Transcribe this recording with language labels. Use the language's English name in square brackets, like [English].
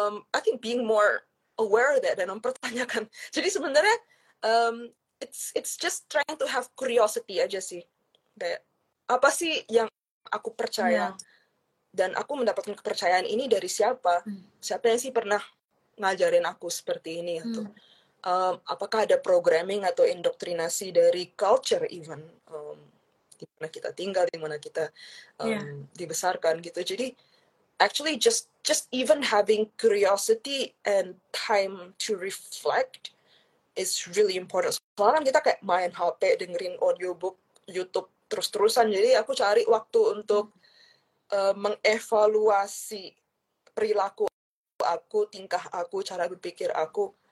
[English] I think being more aware of that [Indonesian] dan mempertanyakan. Jadi sebenarnya [English] it's just trying to have curiosity [Indonesian] aja sih. Kayak, apa sih yang aku percaya dan aku mendapatkan kepercayaan ini dari siapa? Siapa yang sih pernah ngajarin aku seperti ini atau apakah ada programming atau indoktrinasi dari culture even di mana kita tinggal, di mana kita dibesarkan gitu. [English] Jadi actually just even having curiosity and time to reflect is really important. [Indonesian] Soalnya kita kayak main HP, dengerin audiobook, YouTube terus-terusan. Jadi aku cari waktu untuk mengevaluasi perilaku aku, tingkah aku, cara berpikir aku.